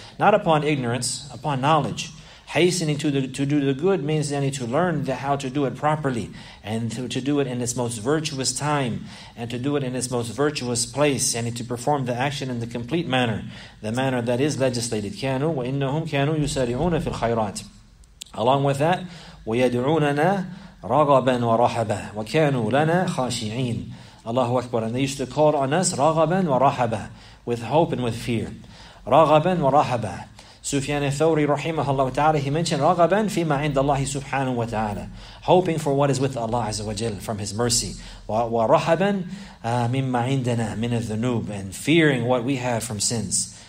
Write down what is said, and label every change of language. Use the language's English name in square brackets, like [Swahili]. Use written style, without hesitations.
[English] Not upon ignorance, upon knowledge. Hastening to do the good means to learn how to do it properly, and to do it in its most virtuous time, and to do it in its most virtuous place, and to perform the action in the complete manner, the manner that is legislated. [Arabic] كانوا وإنهم كانوا يسارعون في الخيرات. [English] Along with that, [Arabic] ويدعوننا رغبا ورحبا وكانوا لنا خاشعين. Allahu Akbar. [English] And they used to call on us [Arabic] رغبا ورحبا, [English] with hope and with fear. [Arabic] رغبا ورحبا. [English] Sufyan al-Thawri rahimahullah ta'ala, he mentioned [Arabic] raghaban fima inda Allah subhanahu wa ta'ala, [English] hoping for what is with Allah azza wa jalla, from his mercy. [Arabic] Wa rahaban mimma indana min adh-dhunub, [English] and fearing what we have from sins.